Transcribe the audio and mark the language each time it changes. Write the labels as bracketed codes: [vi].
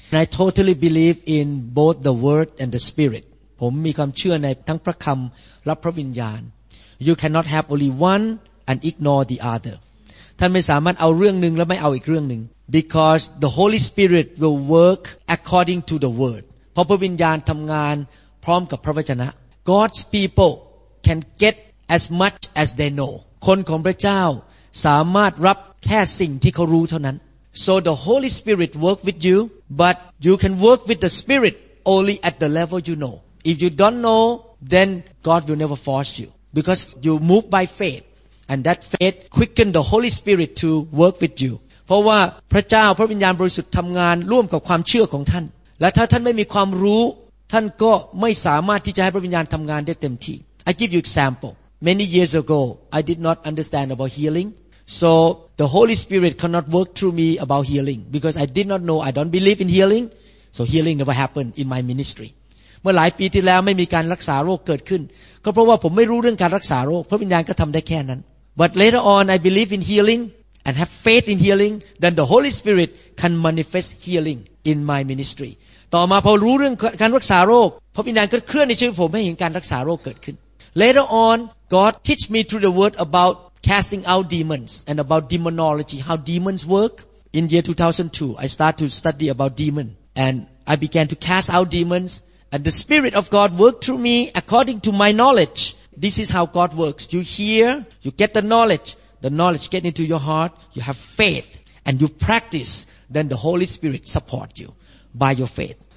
[en] And I totally believe in both the Word and the Spirit. [th] ผมมีความเชื่อในทั้งพระคำและพระวิญญาณ [en] You cannot have only one and ignore the other. [th] ท่านไม่สามารถเอาเรื่องหนึ่งแล้วไม่เอาอีกเรื่องหนึ่ง [en] Because the Holy Spirit will work according to the Word. [th] เพราะพระวิญญาณทำงานพร้อมกับพระวจนะ [en] God's people can get as much as they know. [th] คนของพระเจ้าสามารถรับแค่สิ่งที่เขารู้เท่านั้น [en] So the Holy Spirit work with you, but you can work with the Spirit only at the level you know. If you don't know, then God will never force you. Because you move by faith, and that faith quickens the Holy Spirit to work with you. [th] เพราะว่าพระเจ้าพระวิญญาณบริสุทธิ์ทำงานร่วมกับความเชื่อของท่านและถ้าท่านไม่มีความรู้ท่านก็ไม่สามารถที่จะให้พระวิญญาณทำงานได้เต็มที่ [en] I give you example. Many years ago, I did not understand about healing. So the Holy Spirit cannot work through me about healing because I did not know, I don't believe in healing. So healing never happened in my ministry. [th] เมื่อหลายปีที่แล้วไม่มีการรักษาโรคเกิดขึ้นก็เพราะว่าผมไม่รู้เรื่องการรักษาโรคพระวิญญาณก็ทำได้แค่นั้น [en] But later on, I believe in healing and have faith in healing. Then the Holy Spirit can manifest healing in my ministry. [th] ต่อมาพอรู้เรื่องการรักษาโรคพระวิญญาณก็เคลื่อนในชีวิตผมให้เห็นการรักษาโรคเกิดขึ้น [en] Later onGod teach me through the word about casting out demons and about demonology, how demons work. In year 2002, I started to study about demons. And I began to cast out demons. And the Spirit of God worked through me according to my knowledge. This is how God works. You hear, you get the knowledge gets into your heart, you have faith, and you practice, then the Holy Spirit supports you by your faith.